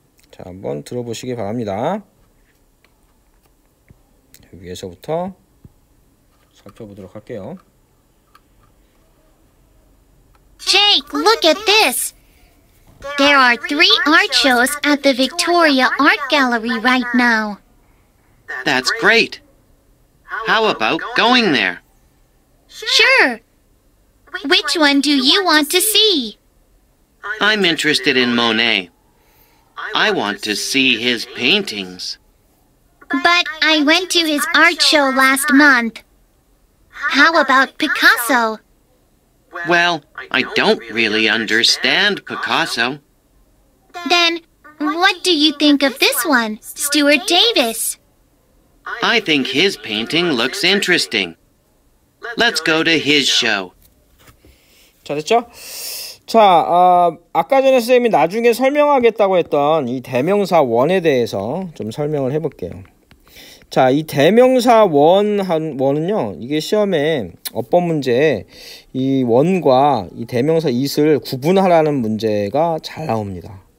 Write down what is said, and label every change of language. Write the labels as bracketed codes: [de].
[ko] 자, 한번 들어보시기 바랍니다. 위에서부터 살펴보도록 할게요. [en] Jake, look at this. There are three art shows at the Victoria Art Gallery right now. That's great. How about going there? Sure. Which one do you want to see? I'm interested in Monet. I want to see his paintings. But I went to his art show last month. How about Picasso? Well, I don't really understand Picasso. Then, what do you think of this one, Stuart Davis? I think his painting looks interesting. Let's go to his show. [ko] 자, 됐죠? 자, 아까 전에 선생님이 나중에 설명하겠다고 했던 이 대명사 원에 대해서 좀 설명을 해볼게요. 자, 이 대명사 원은요, 이게 시험에 어법 문제에 이 원과 이 대명사 it을 구분하라는 문제가 잘 나옵니다.